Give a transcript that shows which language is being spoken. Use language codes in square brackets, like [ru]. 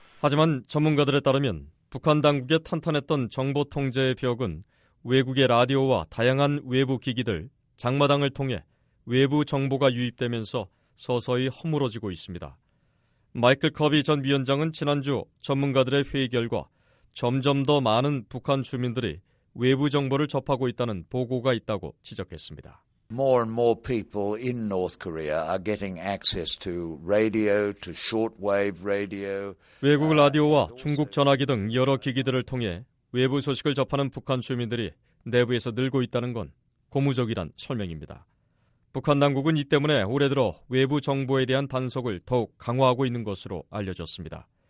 [ko] 하지만 전문가들에 따르면 북한 당국의 탄탄했던 정보 통제의 벽은 외국의 라디오와 다양한 외부 기기들, 장마당을 통해 외부 정보가 유입되면서 서서히 허물어지고 있습니다. 마이클 커비 전 위원장은 지난주 전문가들의 회의 결과 점점 더 많은 북한 주민들이 외부 정보를 접하고 있다는 보고가 있다고 지적했습니다. [en] More and more people in North Korea are getting access to radio, to shortwave radio. [ko] 외국 라디오와 중국 전화기 등 여러 기기들을 통해 외부 소식을 접하는 북한 주민들이 내부에서 늘고 있다는 건 고무적이란 설명입니다. 북한 당국은 이 때문에 올해 들어 외부 정보에 대한 단속을 더욱 강화하고 있는 것으로 알려졌습니다.